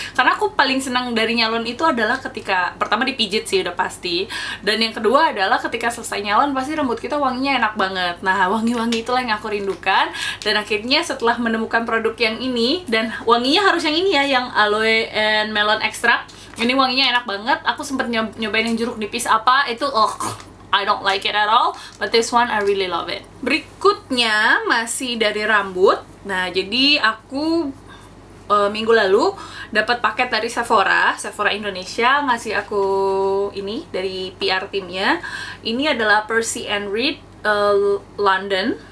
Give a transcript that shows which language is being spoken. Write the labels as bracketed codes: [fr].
[id] Karena aku paling senang dari nyalon itu adalah ketika pertama dipijit sih udah pasti, dan yang kedua adalah ketika selesai nyalon pasti rambut kita wanginya enak banget. Nah, wangi-wangi itulah yang aku rindukan. Dan akhirnya setelah menemukan produk yang ini, dan wanginya harus yang ini ya, yang aloe and melon extract, ini wanginya enak banget. Aku sempet nyobain yang jeruk nipis apa itu, [en] I don't like it at all, but this one I really love it. [id] Berikutnya masih dari rambut. Nah, jadi aku minggu lalu dapat paket dari Sephora Indonesia ngasih aku ini dari PR timnya. Ini adalah Percy and Reed London.